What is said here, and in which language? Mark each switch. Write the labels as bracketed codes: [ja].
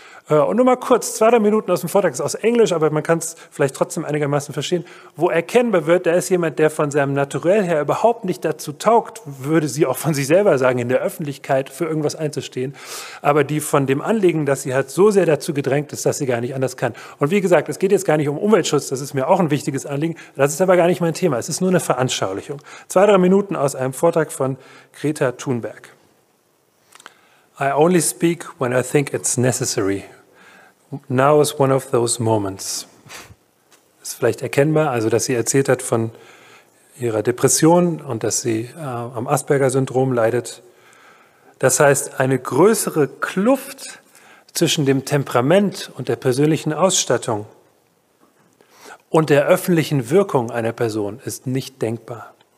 [de] Und nur mal kurz, 2-3 Minuten aus dem Vortrag, ist aus Englisch, aber man kann es vielleicht trotzdem einigermaßen verstehen, wo erkennbar wird, da ist jemand, der von seinem Naturell her überhaupt nicht dazu taugt, würde sie auch von sich selber sagen, in der Öffentlichkeit für irgendwas einzustehen, aber die von dem Anliegen, dass sie halt so sehr dazu gedrängt ist, dass sie gar nicht anders kann. Und wie gesagt, es geht jetzt gar nicht um Umweltschutz, das ist mir auch ein wichtiges Anliegen, das ist aber gar nicht mein Thema, es ist nur eine Veranschaulichung. 2-3 Minuten aus einem Vortrag von Greta Thunberg. [en] I only speak when I think it's necessary. Now is one of those moments. [de] Das ist vielleicht erkennbar, also dass sie erzählt hat von ihrer Depression und dass sie am Asperger-Syndrom leidet. Das heißt, eine größere Kluft zwischen dem Temperament und der persönlichen Ausstattung und der öffentlichen Wirkung einer Person ist nicht denkbar.